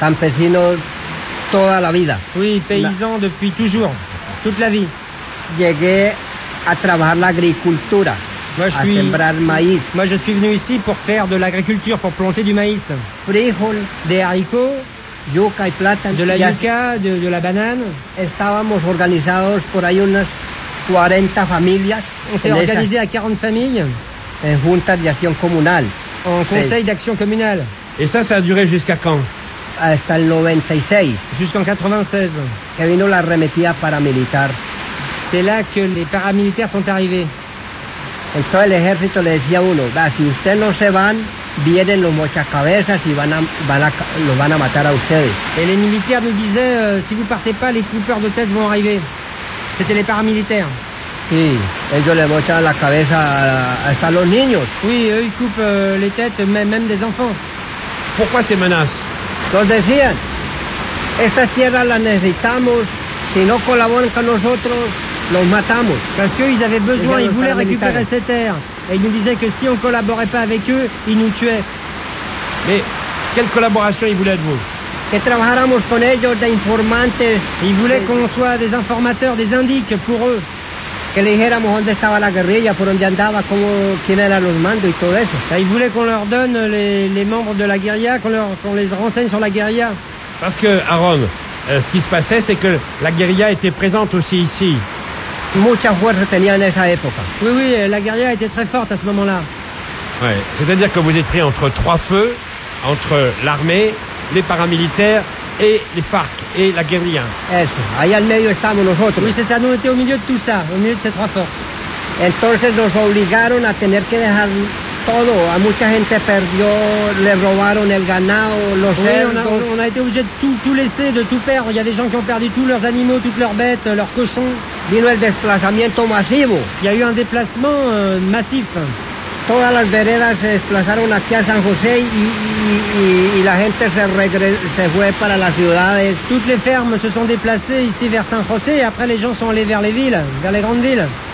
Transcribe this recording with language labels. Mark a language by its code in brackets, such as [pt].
[es] Campesino toda la vida. [fr] Oui, paysan depuis toujours, toute la vie. [es] Llegué a trabajar l'agricultura, a sembrar maíz. [fr] Moi, je suis venu ici pour faire de l'agriculture, pour planter du maïs. [es] Frijol. [fr] Des haricots. [es] Yuca y plátano. [fr] De la yuca, de la banane. [es] Estábamos organizados por ahí unas 40 familias. [fr] On s'est organisé à 40 familles. [es] En junta de acción comunal. [fr] En conseil d'action communale. Et ça, ça a duré jusqu'à quand ? [es] Hasta el 96. [fr] Jusqu'en 96. [es] Que vino la remetida paramilitar. [fr] C'est là que les paramilitaires sont arrivés. [es] Entonces el ejército le decía uno, si ustedes no se van, vienen los mochacabezas y van a matar a ustedes. [fr] Et les militaires nous disaient, si vous partez pas, les coupeurs de tête vont arriver. C'était les paramilitaires. [es] Sí, ellos le mochan la cabeza hasta los niños. [fr] Oui, eux ils coupent les têtes, même des enfants. Pourquoi ces menaces? [es] Nos decían, estas tierras las necesitamos, si no colaboran con nosotros, los matamos. [fr] Parce qu'ils avaient besoin, ils voulaient récupérer ces terres. Et ils nous disaient que si on collaborait pas avec eux, ils nous tuaient. Mais quelle collaboration ils voulaient de vous? [es] Que trabajáramos con ellos de informantes. [fr] Ils voulaient qu'on soit des informateurs, des indiques pour eux. [es] Que le dijéramos dónde estaba la guerrilla, por dónde andaba, cómo, quién era los mandos y todo eso. [fr] Ils voulaient qu'on leur donne les membres de la guérilla, qu'on les renseigne sur la guérilla. Parce que, Aaron, ce qui se passait, c'est que la guérilla était présente aussi ici. [es] Mucha fuerza tenía en esa época. [fr] Oui, la guérilla était très forte à ce moment-là. Ouais. C'est-à-dire que vous êtes pris entre trois feux, entre l'armée, les paramilitaires et les FARC et la guérilla. [es] Eso. Ahí al medio estamos nosotros. [fr] Oui, c'est ça. Nous étions au milieu de tout ça, au milieu de ces trois forces. [es] Entonces nos obligaron a tener que dejar todo. A mucha gente perdió, le robaron el ganado, los cerdos. [fr] On a été obligé de tout laisser, de tout perdre. Il y a des gens qui ont perdu tous leurs animaux, toutes leurs bêtes, leurs cochons. [es] Vino el desplazamiento masivo. [fr] Il y a eu un déplacement massif. [es] Todas las veredas se desplazaron aquí a San José y la gente se fue para las ciudades. [fr] Toutes les fermes se sont déplacées ici vers San José [es] y [fr] après les gens sont allés vers les villes, vers les grandes villes.